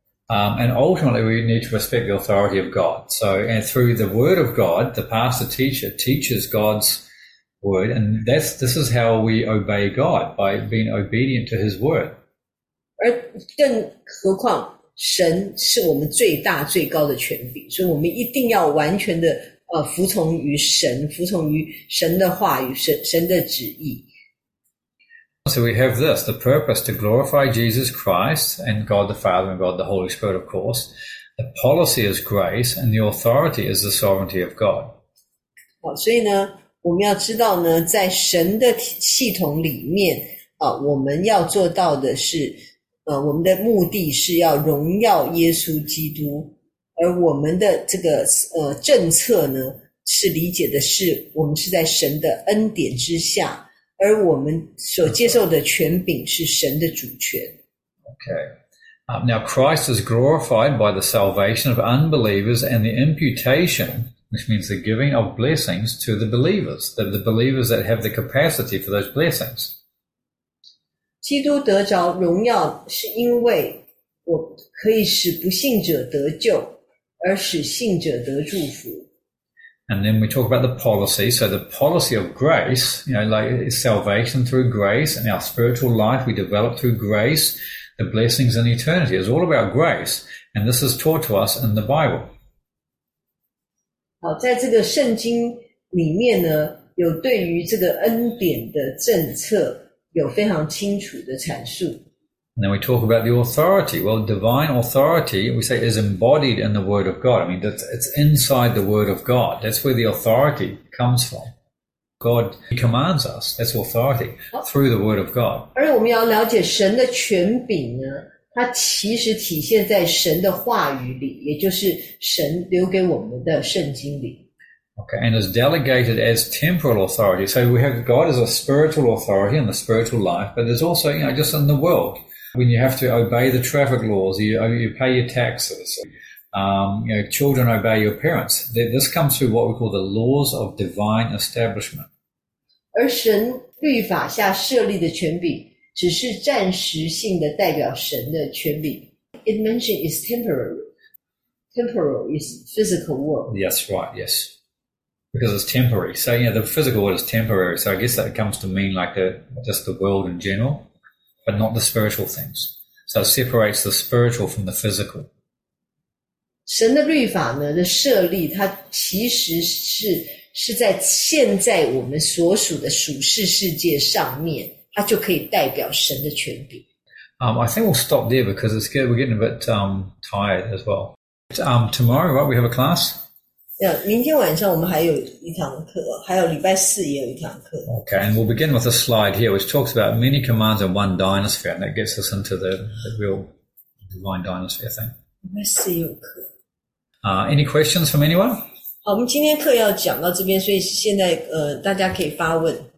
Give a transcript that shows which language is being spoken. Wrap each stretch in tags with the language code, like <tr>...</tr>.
<en>And ultimately, we need to respect the authority of God. So, and through the word of God, the pastor teacher teaches God's word, and this is how we obey God, by being obedient to his word.</en> <zh>而更何况，神是我们最大最高的权柄，所以我们一定要完全的服从于神，服从于神的话语，神的旨意。</zh> <en>So we have this, the purpose to glorify Jesus Christ and God the Father and God the Holy Spirit, of course. The policy is grace and the authority is the sovereignty of God.</en> <zh>好，所以呢，我们要知道呢，在神的系统里面，我们要做到的是，我们的目的是要荣耀耶稣基督。而我们的这个政策呢，是理解的是我们是在神的恩典之下，而我们所接受的权柄是神的主权。</zh> <en>Okay, now Christ is glorified by the salvation of unbelievers and the imputation, which means the giving of blessings to the believers, the believers that have the capacity for those blessings.</en> <zh>基督得着荣耀，是因为我可以使不信者得救，而使信者得祝福。</zh> <en>And then we talk about the policy. So the policy of grace, you know, like salvation through grace and our spiritual life we develop through grace, the blessings in eternity. It's all about grace. And this is taught to us in the Bible.</en> <zh>好，在这个圣经里面呢，有对于这个恩典的政策有非常清楚的阐述。</zh> <en>And then we talk about the authority. Well, divine authority, we say, is embodied in the Word of God. I mean, it's inside the Word of God. That's where the authority comes from. God commands us. That's authority through the Word of God.</en> <zh>而我们要了解神的权柄呢，它其实体现在神的话语里，也就是神留给我们的圣经里。</zh> <en>Okay, and is delegated as temporal authority. So we have God as a spiritual authority in the spiritual life, but there's also, you know, just in the world. When you have to obey the traffic laws, you pay your taxes, you know, children obey your parents. This comes through what we call the laws of divine establishment.</en> <zh>而神律法下设立的权柄只是暂时性的代表神的权柄。</zh> <en>It mentioned is temporary. Temporal is physical world. That's right, yes. Because it's temporary. So, you know, the physical world is temporary. So I guess that comes to mean like just the world in general, but not the spiritual things. So it separates the spiritual from the physical.</en> <zh>神的律法呢的设立，它其实是在现在我们所属的属世世界上面，它就可以代表神的权柄。</zh> <en>I think we'll stop there because it's good. We're getting a bit tired as well. Tomorrow, right, we have a class.</en> <zh>明天晚上我们还有一堂课，还有礼拜四也有一堂课。</zh> <en>Okay, and we'll begin with a slide here, which talks about many commands in one dynasphere, and that gets us into the real divine dynasphere thing.</en> <zh>礼拜四有课。</zh> <en>Any questions from anyone?</en> <zh>好，我们今天课要讲到这边，所以现在大家可以发问。</zh>